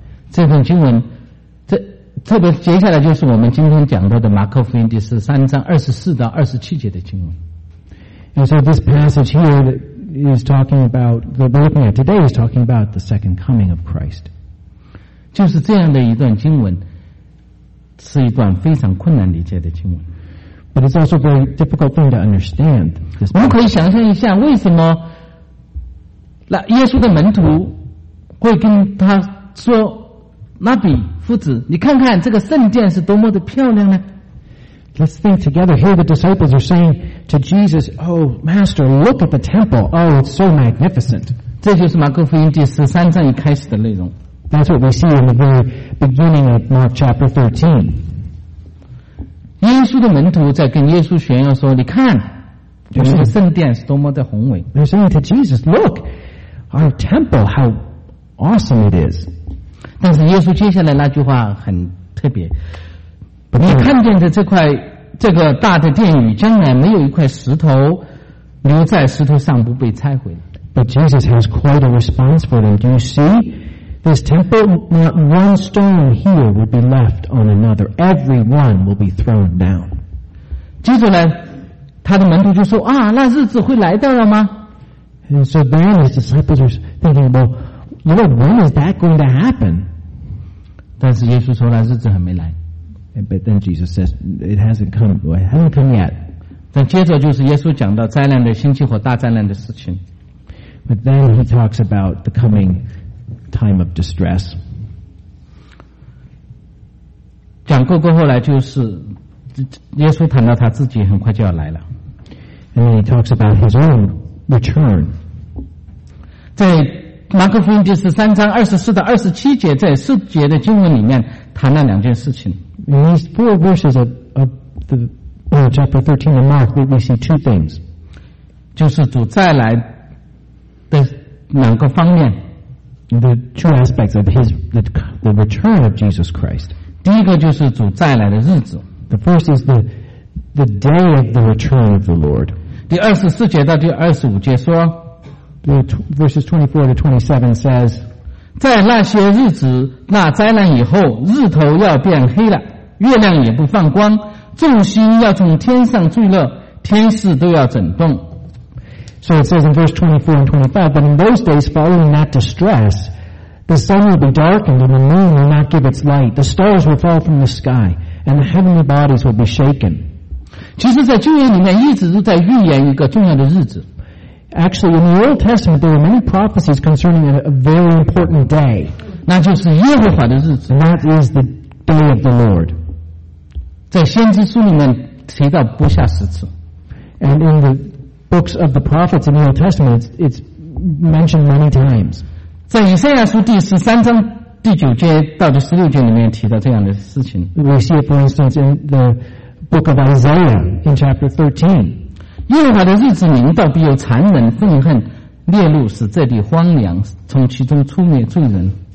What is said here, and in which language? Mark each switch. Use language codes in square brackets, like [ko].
[zh] 这段经文，这特别接下来就是我们今天讲到的马可福音第十三章二十四到二十七节的经文。 [en] And so this passage here is talking about that we're looking at today is talking about the second coming of Christ. [zh] 就是这样的一段经文，是一段非常困难理解的经文。 [en] But it's also very difficult for me to understand. [zh] 我们可以想象一下，为什么？那耶稣的门徒会跟他说：“拉比，夫子，你看看这个圣殿是多么的漂亮呢？” [en] Let's think together. Here, the disciples are saying to Jesus, "Oh, Master, look at the temple. Oh, it's so magnificent." [zh] 这就是马可福音第十三章一开始的内容。 [en] That's what we see in the very beginning of Mark chapter 13. [zh] 耶稣的门徒在跟耶稣炫耀说：“你看，就是圣殿是多么的宏伟。” [en] They're saying to Jesus, "Look." Our temple, how awesome it is. [zh] 但是耶稣接下来那句话很特别。你看见的这块这个大的殿宇将来没有一块石头留在石头上不被拆毁。 [en] But Jesus has quite a response for them. Do you see? This temple, not one stone here will be left on another. Every one will be thrown down. [zh] 接着呢他的门徒就说啊那日子会来到了吗？ [en] And so then his disciples are thinking, well, Lord, when is that going to happen? [zh] 但是耶稣说那日子还没来。 [en] But then Jesus says, it hasn't come, it hasn't come yet. [zh] 但接着就是耶稣讲到灾难的兴起和大灾难的事情。 [en] But then he talks about the coming time of distress. [zh] 讲过后来就是耶稣谈到他自己很快就要来了。 [en] And then he talks about his own return. [zh] 在马可福音第十三章二十四到二十七节，在四节的经文里面谈了两件事情。 [en] In these four verses of the chapter 13 of Mark, we see two things. [zh] 就是主再来的两个方面。 [en] The two aspects of the return of Jesus Christ. [zh] 第一个就是主再来的日子。 [en] The first is the day of the return of the Lord. [zh] 第二十四节到第二十五节说 [en] Verses 24 to 27 says [zh] 在那些日子那灾难以后日头要变黑了月亮也不放光众星要从天上坠落天使都要震动 [en] So it says in verse 24 and 25 But in those days following that distress The sun will be darkened and the moon will not give its light The stars will fall from the sky And the heavenly bodies will be shaken [zh] 其实在旧约里面一直都在预言一个重要的日子。 [en] Actually, in the Old Testament, there were many prophecies concerning a very important day. [zh] 那就是耶和华的日子。 [en] And that is the day of the Lord. [zh] 在先知书里面提到不下十次。 [en] And in the books of the prophets in the Old Testament, it's mentioned many times. [zh] 在以赛亚书第十三章第九节到第十六节里面提到这样的事情。 [en] We see it, for instance, in the Book of Isaiah in chapter 13. [zh] 耶和华的日子临到，必有残忍愤恨烈怒，使这地荒凉，从其中出灭罪人。